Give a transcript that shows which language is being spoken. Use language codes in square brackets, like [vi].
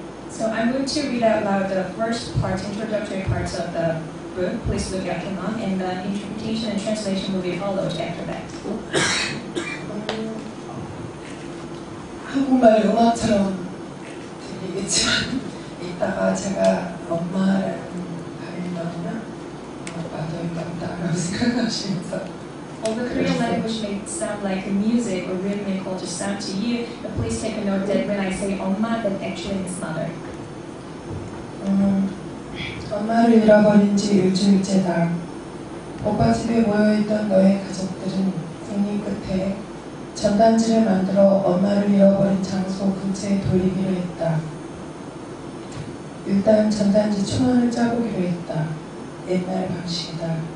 [en] So I'm going to read out loud the first part, introductory parts of the book, Please Look After Mom, and the interpretation and translation will be followed after that. [ko] 한국말 영화처럼 들리겠지만 이따가 제가 엄마라는 발음이나 아빠도 있다고 생각하시면서 [en] All the Korean language may sound like music or rhythmical to sound to you, but please take a note that when I say 엄마, that actually means mother. [ko] 엄마를 잃어버린 지 일주일째다. 오빠 집에 모여있던 너의 가족들은 궁이 끝에 전단지를 만들어 엄마를 잃어버린 장소 근처에 돌리기로 했다. 일단 전단지 초안을 짜보기로 했다. 옛날 방식이다.